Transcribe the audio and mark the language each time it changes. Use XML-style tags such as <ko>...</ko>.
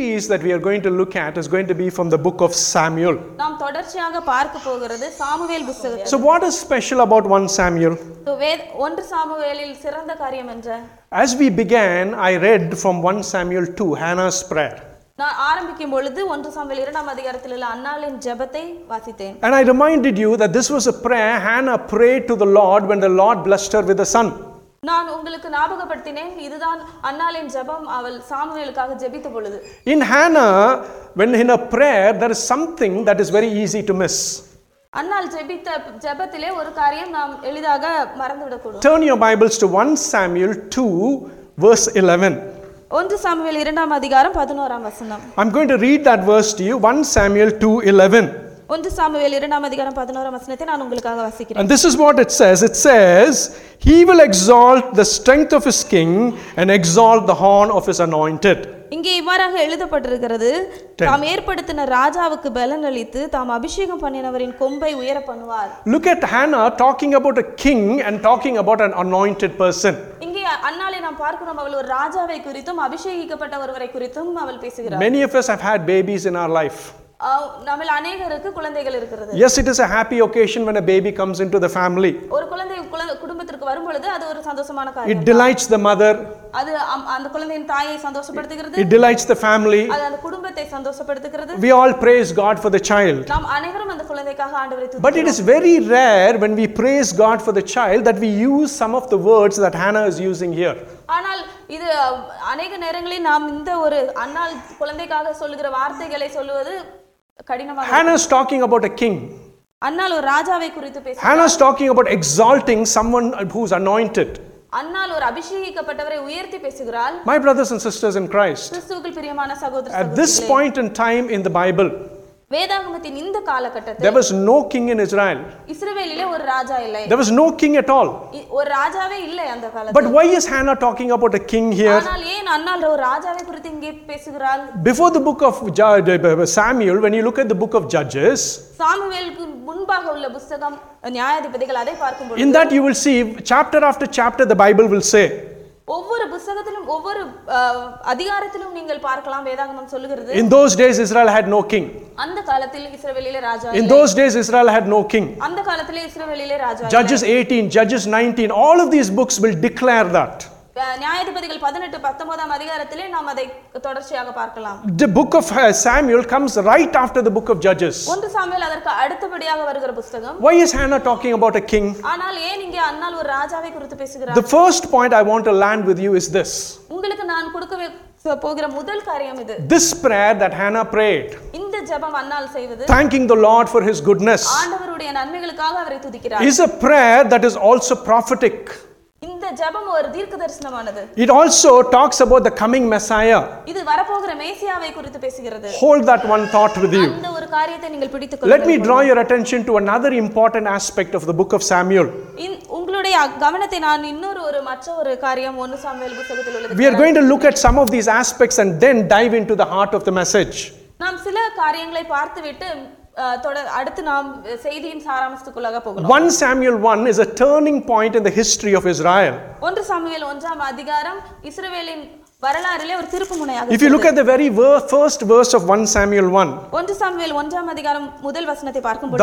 <en>that we are going to look at is going to be from the book of Samuel.</en> <ta>நாம் தொடர்ச்சியாக பார்க்க போகிறது Samuel புத்தகத்தை.</ta> <en>So what is special about 1 Samuel?</en> <ta>So ஒன்று சாமுவேலில் சிறந்த காரியம் என்ன?</ta> <en>As we began, I read from 1 Samuel 2, Hannah's prayer.</en> <ta>நான் ஆரம்பிக்கும் பொழுது 1 சாமுவேல் 2 ஆம் அதிகாரத்தில் உள்ள அன்னாளின் ஜெபத்தை வாசித்தேன்.</ta> <en>And I reminded you that this was a prayer Hannah prayed to the Lord when the Lord blessed her with a son.</en> <ta>நான் உங்களுக்கு ஞாபகப்படுத்தினேன் இதுதான் அன்னாளின் ஜெபம் அவள் சாமுவேலுக்காக ஜெபித்த பொழுது.</ta> <en>In Hannah, when in a prayer, there is something that is very easy to miss.</en> <ta>அன்னால் ஜெபித்த ஜெபத்திலே ஒரு காரியம் நாம் எளிதாக மறந்துவிடக்கூடும்.</ta> <en>Turn your Bibles to 1 Samuel 2, verse 11.</en> <ta>ஒன்று சாமுவேல் 2 அதிகாரம் 11 வசனம்.</ta> <en>I'm going to read that verse to you, 1 Samuel 2, 11.</en> <ta>ஒன்று சாமுவேல் 2 அதிகாரம் 11 வசனத்தை நான் உங்களுக்காக வாசிக்கிறேன்.</ta> <en>And this is what it says. It says, He will exalt the strength of his king and exalt the horn of his anointed.</en> <ta>இங்கே இவ்வாறாக எழுதப்பட்டிருக்கிறது, தாம் ஏற்படுத்தின ராஜாவுக்கு பலன் அளித்து தாம் அபிஷேகம் பண்ணினவரின் கொம்பை உயர பண்ணுவார்.</ta> <en>Look at Hannah talking about a king and talking about an anointed person.</en> <ta>இங்கே அன்னாலே நாம் பார்க்கிறோம் அவள் ஒரு ராஜாவை குறித்தும் அபிஷேகிக்கப்பட்ட ஒருவரை குறித்தும் அவள் பேசுகிறாள்.</ta> <en>Many of us have had babies in our life.</en> <ta>நம்மில் அநேகருக்கு குழந்தைகள் இருக்கிறது.</ta> <en>Yes, it is a happy occasion when a baby comes into the family.</en> <ta>ஒரு குழந்தை குடும்பத்திற்கு வரும் பொழுது அது ஒரு சந்தோஷமான காரியம்.</ta> <en>It delights the mother.</en> <ta>அது அந்த குழந்தையின் தாயை சந்தோஷப்படுத்துகிறது.</ta> <en>It delights the family.</en> <ta>அது அந்த குடும்பத்தை சந்தோஷப்படுத்துகிறது.</ta> <en>We all praise God for the child.</en> <ta>நாம் அனைவரும் அந்த குழந்தைக்காக ஆண்டவரை துதிக்கிறோம்.</ta> <en>But it is very rare when we praise God for the child that we use some of the words that Hannah is using here.</en> <ta>ஆனால் இது அநேக நேரங்களில் நாம் இந்த ஒரு அன்னால் குழந்தைக்காக சொல்லுகிற வார்த்தைகளை சொல்வது கடினமாக.</ta> <en>Hannah is talking about a king.</en> <ta>அன்னால் ஒரு ராஜாவை குறித்து பேசுகிறார்.</ta> <en>Hannah is talking about exalting someone who's anointed.</en> <ta>அன்னால் ஒரு அபிஷேகிக்கப்பட்டவரை உயர்த்தி பேசுகிறார்.</ta> <en>My brothers and sisters in Christ.</en> <ta>கிறிஸ்துவுக்குள் பிரியமான சகோதர</ta> <en>At this point in time in the Bible.</en> <ta>வேதாகமத்தின் இந்த காலகட்டத்தில்</ta> <en>There was no king in Israel.</en> <ta>இஸ்ரவேலிலே ஒரு ராஜா இல்லை.</ta> <en>There was no king at all.</en> <ta>ஒரு ராஜாவே இல்லை அந்த காலத்தில்.</ta> <en>But why is Hannah talking about a king here?</en> <ta>ஆனால் ஏன் அன்னால் ஒரு ராஜாவை குறித்து இங்கே பேசுகிறாள்?</ta> <en>Before the book of Samuel, when you look at the book of Judges,</en> <ta>சாமுவேலுக்கு முன்பாக உள்ள புத்தகம் நியாயாதிபதிகள் அதை பார்க்கும் பொழுது,</ta> <en>In that you will see chapter after chapter the Bible will say</en> <ta>ஒவ்வொரு புத்தகத்திலும் ஒவ்வொரு அதிகாரத்திலும் நீங்கள் பார்க்கலாம் வேதாகமம் சொல்கிறது.</ta> <en>In those days Israel had no king.</en> <ta>அந்த காலத்தில் இஸ்ரவேலிலே ராஜா இல்லை.</ta> <en>In those days Israel had no king.</en> <ta>அந்த காலத்தில் இஸ்ரவேலிலே ராஜா இல்லை.</ta> <en>Judges 18, Judges 19, all of these books will declare that.</en> <ta>நியாயாதிபதிகள் 18, 19 அதிகாரத்திலே நாம் அதை தொடர்ச்சியாக பார்க்கலாம்.</ta> <en>The book of Samuel comes right after the book of Judges.</en> <ta>ஒன்று சாமுவேல் அதற்கு அடுத்தபடியாக வருகிற புத்தகம்.</ta> <en>Why is Hannah talking about a king?</en> <ta>ஆனால் ஏன் இங்கே அன்னால் ஒரு ராஜாவை குறித்து பேசுகிறார்?</ta> <en>The first point I want to land with you is this.</en> <ta>உங்களுக்கு நான் கொடுக்க போகிற முதல் காரியம் இது.</ta> <en>This prayer that Hannah prayed.</en> <ta>இந்த ஜெபம் அன்னால் செய்வது.</ta> <en>Thanking the Lord for his goodness.</en> <ta>ஆண்டவருடைய நன்மைகளுக்காக அவரை துதிக்கிறார்.</ta> <en>Is a prayer that is also prophetic.</en> <ta>இந்த ஜெபம் ஒரு தீர்க்கதரிசனமானது.</ta> <en>It also talks about the coming Messiah.</en> <ta>இது வரப்போகிற மேசியாவை குறித்து பேசுகிறது.</ta> <en>Hold that one thought with you.</en> <ta>அந்த ஒரு காரியத்தை நீங்கள் பிடித்துக் கொள்ள.</ta> <en>Let me draw your attention to another important aspect of the book of Samuel.</en> <ta>உங்களுடைய கவனத்தை நான் இன்னொரு ஒரு மற்றொரு காரியம் 1 சாமுவேல் புத்தகத்தில் உள்ளது.</ta> <en>We are going to look at some of these aspects and then dive into the heart of the message.</en> <ta>நாம் சில காரியங்களை பார்த்துவிட்டு அடுத்து நாம் செய்தியின் சாராம்சத்துக்குள்ளாக போகலாம்.</ta> <en>1 Samuel 1 is a turning point in the history of Israel.</en> <ta>1 Samuel 1 அதிகாரம் இஸ்ரவேலின் வரலாறிலே ஒரு திருப்புமுனையாக இருக்கு.</ta> <en>If you look at the very first verse of 1 Samuel 1.</en> <ta>1 Samuel 1 அதிகாரம் முதல் வசனத்தை பார்க்கும்போது,</ta>